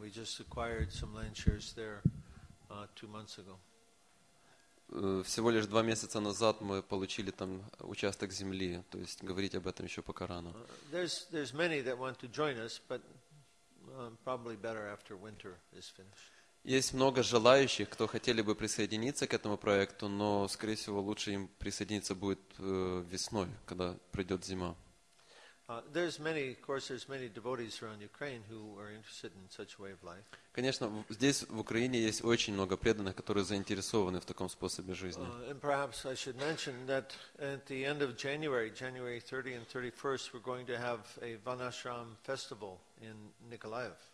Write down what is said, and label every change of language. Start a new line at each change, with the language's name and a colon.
English: We just acquired some land shares there 2 months ago.
Russian: Всего лишь 2 месяца назад мы получили там участок земли, то есть говорить об этом еще пока рано.
English: There's many that want to join us, but probably better after winter is finished.
Russian: Есть много желающих, кто хотели бы присоединиться к этому проекту, но, скорее всего, лучше им присоединиться будет весной, когда придет зима.
English: There's many, of course, there's many devotees around Ukraine who are interested in such a way of life.
Russian: Конечно, здесь в Украине есть очень много преданных, которые заинтересованы в таком способе жизни.
English: And perhaps I should mention that at the end of January, January 30 and 31st, we're going to have a Vanashram festival in Nikolaev.